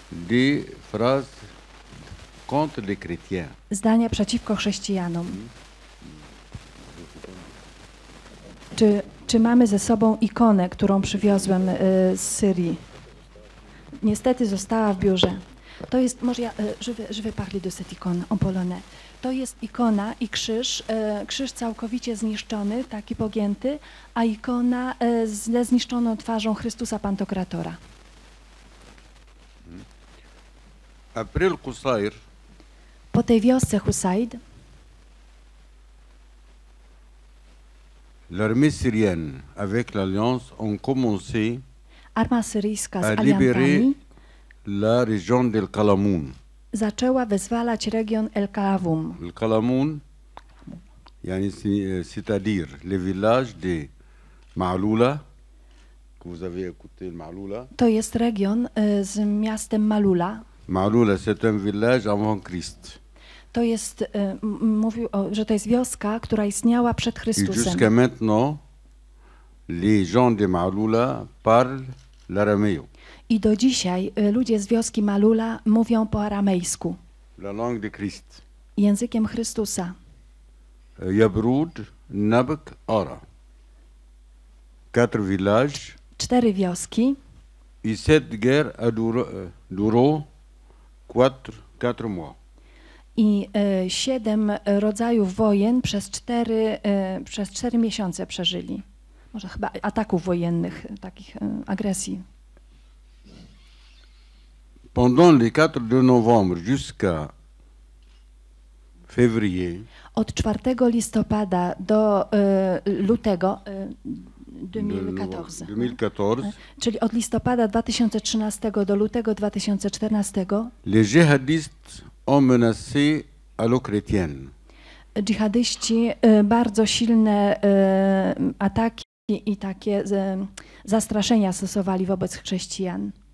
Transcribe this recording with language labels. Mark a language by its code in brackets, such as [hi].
[fr] les phrases contre les chrétiens. [pl] Zdania przeciwko chrześcijanom. Czy mamy ze sobą ikonę, którą przywiozłem z Syrii? Niestety została w biurze. To jest, może ja, [fr] je vais parler de cette icône en polonais. [pl] To jest ikona i krzyż, krzyż całkowicie zniszczony, taki pogięty, a ikona ze zniszczoną twarzą Chrystusa Pantokratora. April Qusayr. Po tej wiosce Husayd. [fr] L'armée syrienne avec l'alliance ont commencé [pl] Arma syryjska z aliantami [fr] la région del Kalamun. [pl] Zaczęła wyzwalać region El Kalamun. [fr] El Kalamun, yani c'est-à-dire le village de Maaloula. Que vous avez écouté Maaloula. [pl] To jest region z miastem Maaloula. [fr] Maaloula, c'est un village avant Christ. [pl] To jest, mówił, że to jest wioska, która istniała przed Chrystusem. [fr] I jusqu'à maintenant, les gens de Maaloula parlent l'araméen. [pl] I do dzisiaj ludzie z wioski Maaloula mówią po aramejsku. [fr] La langue de Christ. [pl] Językiem Chrystusa. [fr] Yabrud, Nabk, Ara. Quatre villages. [pl] Cztery wioski. [fr] I cette guerre a duré quatre mois. [pl] I siedem rodzajów wojen przez cztery miesiące przeżyli. Może chyba ataków wojennych, takich agresji. [fr] Pendant le 4 de novembre jusqu'à février. [pl] Od 4 listopada do lutego 2014. Czyli od listopada 2013 do lutego 2014. [fr] Les jihadistes ont menacé alo-chrétienne. [pl] Dżihadyści bardzo silne ataki i takie zastraszenia stosowali wobec chrześcijan.